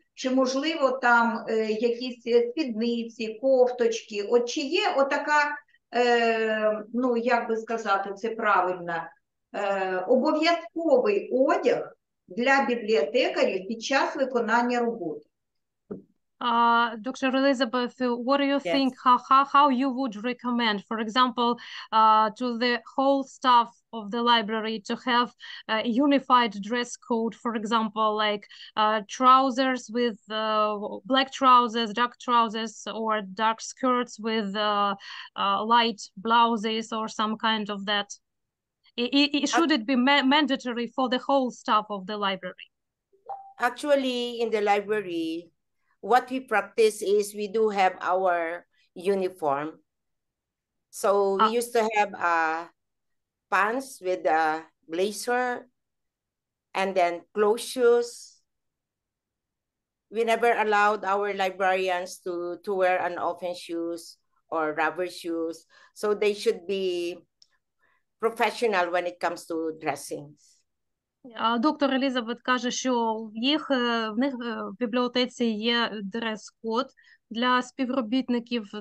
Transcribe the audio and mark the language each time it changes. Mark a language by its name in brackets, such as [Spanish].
[Ukrainian] Чи можливо там якісь спідниці, кофточки? От чи є отака, ну як би сказати, це правильно, обов'язковий одяг для бібліотекарів під час виконання роботи? [English] Dr. Elizabeth, what do you Yes. think? How you would recommend, for example, to the whole staff of the library to have a unified dress code, for example, like trousers with black trousers, dark trousers, or dark skirts with light blouses, or some kind of that? Should it be mandatory for the whole staff of the library? Actually, in the library, what we practice is we do have our uniform. So we used to have pants with a blazer, and then clothes shoes. We never allowed our librarians to wear an open shoes or rubber shoes. So they should be professional when it comes to dressings. [Ukrainian] Доктор Елізабет каже, що в них в бібліотеці є дрес-код для співробітників.